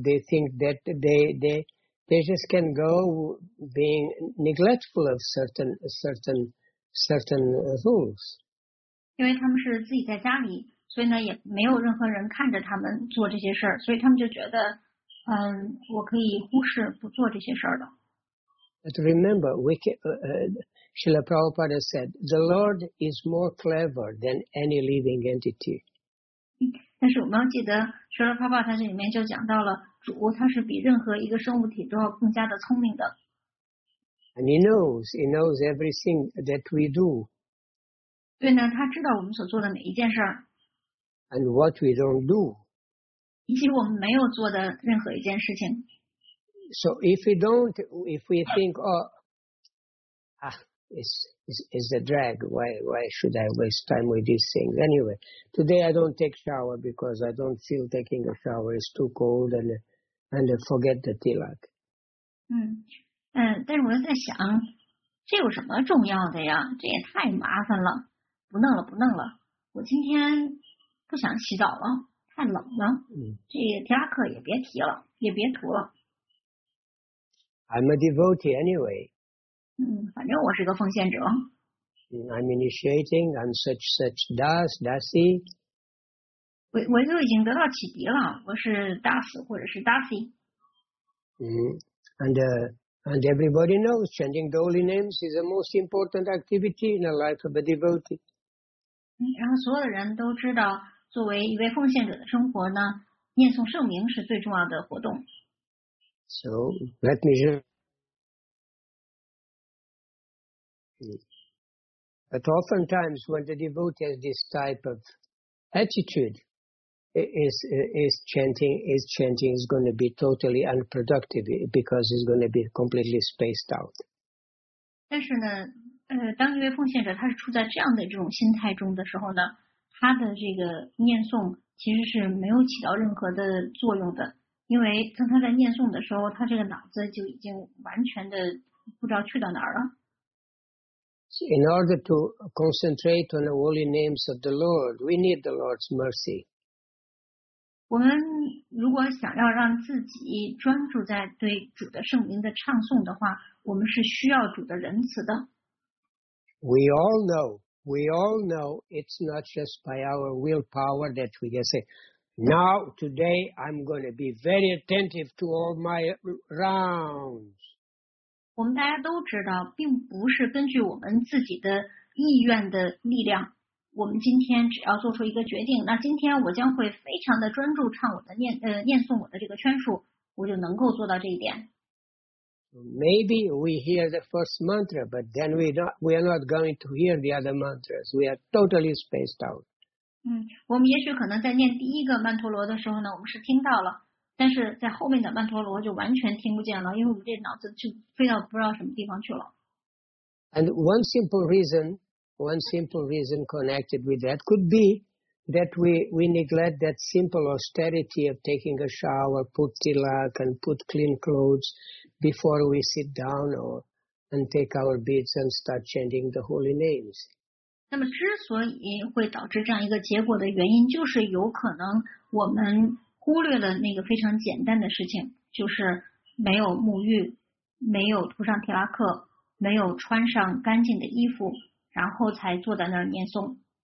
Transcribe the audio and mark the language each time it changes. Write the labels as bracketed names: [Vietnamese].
[English] They think that they just can go being neglectful of certain rules. [Chinese] 因为他们是自己在家里，所以呢也没有任何人看着他们做这些事，所以他们就觉得，我可以忽视不做这些事的。 [English] But remember, Srila Prabhupada said, the Lord is more clever than any living entity. [Chinese] 但是我们要记得，Srila Prabhupada这里面就讲到了，主他是比任何一个生物体都要更加的聪明的。 [English] And he knows everything that we do. [Chinese] 对呢，他知道我们所做的每一件事。 [English] And what we don't do. [Chinese] 以及我们没有做的任何一件事情。 [English] So if we don't, if we think, it's a drag. Why should I waste time with these things? Anyway, today I don't take shower because I don't feel taking a shower. It's too cold and forget the tilak. [Chinese] 但是我在想，这有什么重要的呀？这也太麻烦了，不弄了。我今天不想洗澡了，太冷了。这提拉克也别提了，也别涂了。 [English] I'm a devotee anyway. [Chinese] 反正我是个奉献者。 [English] I'm initiating, I'm such das, dasi. [Chinese] 我就已经得到启迪了，我是 das 或者是 dasi。 [English] And everybody knows chanting the holy names is the most important activity in the life of a devotee. [Chinese] 然后所有的人都知道，作为一位奉献者的生活呢，念诵圣名是最重要的活动。 [English] So let me just. But oftentimes, when the devotee has this type of attitude, is chanting is going to be totally unproductive because it's going to be completely spaced out. [Chinese] 但是呢，当一位奉献者他是处在这样的这种心态中的时候呢，他的这个念诵其实是没有起到任何的作用的。因为当他在念诵的时候，他这个脑子就已经完全的不知道去到哪儿了。 [English] In order to concentrate on the holy names of the Lord, we need the Lord's mercy. [Chinese] 我们如果想要让自己专注在对主的圣名的唱诵的话，我们是需要主的仁慈的。 [English] We all know it's not just by our willpower that we can say. Now, today, I'm going to be very attentive to all my rounds. [Chinese] 我们大家都知道，并不是根据我们自己的意愿的力量。我们今天只要做出一个决定，那今天我将会非常的专注唱我的念诵我的这个圈数，我就能够做到这一点。 [English] Maybe we hear the first mantra, but then we are not going to hear the other mantras. We are totally spaced out. [Chinese] 我们也许可能在念第一个曼陀罗的时候呢，我们是听到了，但是在后面的曼陀罗就完全听不见了，因为我们这脑子就飞到不知道什么地方去了。 [English] And one simple reason connected with that could be that we neglect that simple austerity of taking a shower, put tilak and put clean clothes before we sit down or and take our beads and start chanting the holy names. [Chinese] 那么之所以会导致这样一个结果的原因，就是有可能我们忽略了那个非常简单的事情，就是没有沐浴，没有涂上提拉克，没有穿上干净的衣服，然后才坐在那儿念诵。